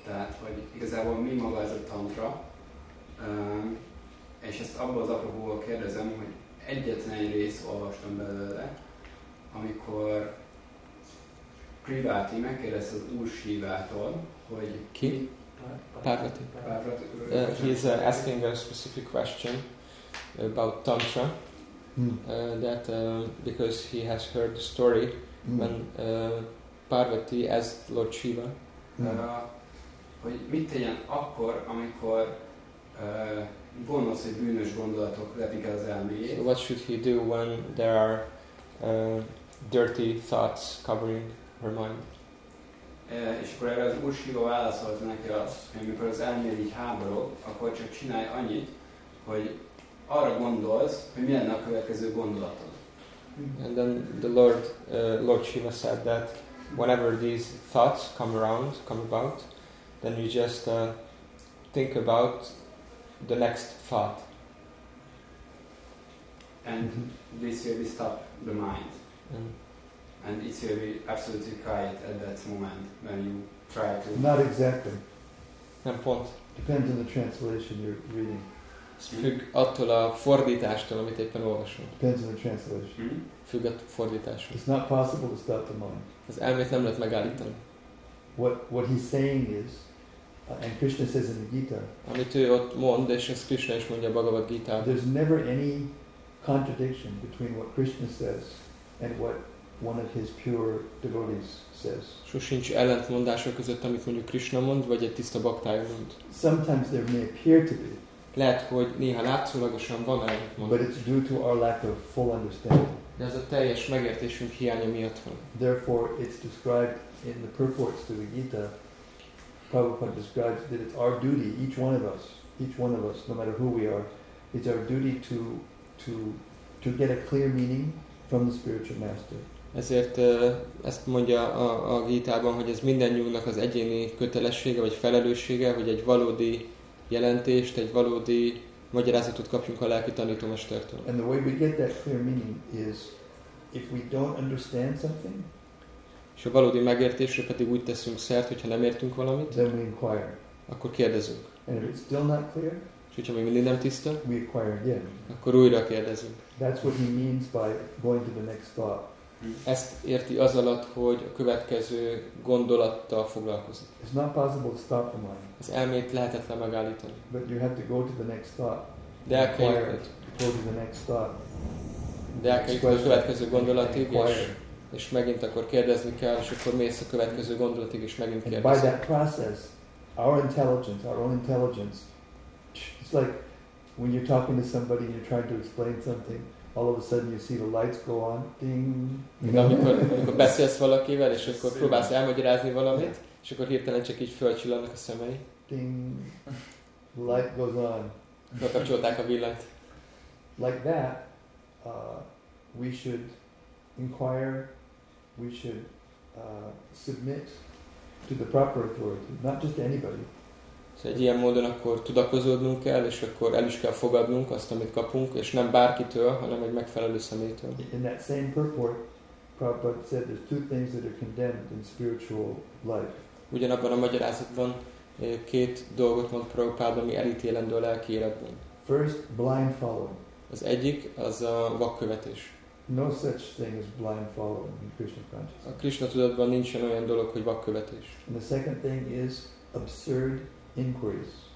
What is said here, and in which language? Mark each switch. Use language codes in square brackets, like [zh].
[hu] Tehát, hogy igazából mi maga ez a tantra, és ezt abból az apropóval kérdezem, hogy egyetlen részt olvastam belőle, amikor Parvati megkérdezte az Úr Sivától, hogy... Ki? Parvati. Parvati. [en] He is asking a specific question about tantra, that because he has heard the story when Parvati as Lord Shiva. [hu] Hogy mit tegyen akkor, amikor gonosz vagy bűnös gondolatok lepik az elméjét. [en] So what should he do when there are dirty thoughts covering her mind? [hu] És akkor erre az Úr Shiva válaszolta neki azt, hogy amikor az elméjét így háborog, akkor csak csinálj annyit, hogy arra gondolsz, hogy mi lenne a következő gondolatod. [en] And then the Lord Shiva said that whenever these thoughts come about, then you just think about the next thought. And this will stop the mind. And it will be absolutely quiet at that moment when you try to... Not exactly. [hu] Nem pont. [en] Depends on the translation you're reading. [hu] Függ attól a fordítástól, amit éppen olvasunk. [en] Depends on the translation. [hu] Függ a fordításról. [en] It's not possible to stop the mind. [hu] Az elmét nem lehet megállítani. [en] What he's saying is, and Krishna says in the Gita, [hu] amit ő ott mond, és ezt Krishna is mondja a Bhagavad Gita, [en] there's never any contradiction between what Krishna says and what one of his pure devotees says. [hu] Sosincs ellentmondások között, amit mondjuk Krishna mond, vagy egy tiszta baktája mond. [en] Sometimes there may appear to be. [hu] Lehet, hogy néha látszólagosan van ellentmond. [en] But it's due to our lack of full understanding. [hu] De ez a teljes megértésünk hiánya miatt van. [en] Therefore, it's described in the purports to the Gita. Prabhupada describes that it's our duty, each one of us, no matter who we are, it's our duty to get a clear meaning from the spiritual master. [hu] Ezért ezt mondja a Gitában, hogy ez mindannyiunknak az egyéni kötelessége vagy felelőssége, hogy egy valódi jelentést, egy valódi magyarázatot kapjunk a lelki tanítómestertől. [en] And the way we get that clear meaning is if we don't understand something. [hu] És a valódi megértésre pedig úgy teszünk szert, hogyha nem értünk valamit. [en] Then we inquire. [hu] Akkor kérdezünk. [en] And if it's still not clear. [hu] És hogyha még mindig nem tiszta. [en] We inquire again. [hu] Akkor újra kérdezünk. [en] That's what he means by going to the next thought. [hu] Ezt érti az alatt, hogy a következő gondolattal foglalkozik. [en] It's not possible to stop the mind. [hu] Az elmét lehetetlen megállítani. [en] But you have to go to the next thought. [hu] De el kell jutni. [en] Go to the next thought. [hu] De el kell jutni a következő gondolatig, és megint akkor kérdezni kell, és akkor mész a következő gondolatig, és megint kérdezni. [en] By that process, our own intelligence, it's like when you're talking to somebody and you're trying to explain something, all of a sudden you see the lights go on, ding. [hu] Amikor beszélsz valakivel, és akkor próbálsz elmagyarázni valamit, és akkor hirtelen csak így fölcsillannak a szemei. [en] Ding. Light goes on. [hu] Felkapcsolták a villanyt. [en] Like that, we should inquire, we should submit to the proper authority, not just anybody. [hu] Szóval egy ilyen módon akkor tudakozódnunk kell, és akkor el is kell fogadnunk azt, amit kapunk, és nem bárkitől, hanem egy megfelelő személytől. [en] In that same purport, Prabhupada said there's two things that are condemned in spiritual life. [hu] Ugyanabban a magyarázatban két dolgot mond Prabhupada, ami elítélendő a lelki életben. [en] First, blind following. [hu] Az egyik, az a vakkövetés. [en] No such thing as blind following in Krishna consciousness. [hu] A Krishna tudatban nincsen olyan dolog, hogy vakkövetés. [en] And the second thing is absurd inquiries.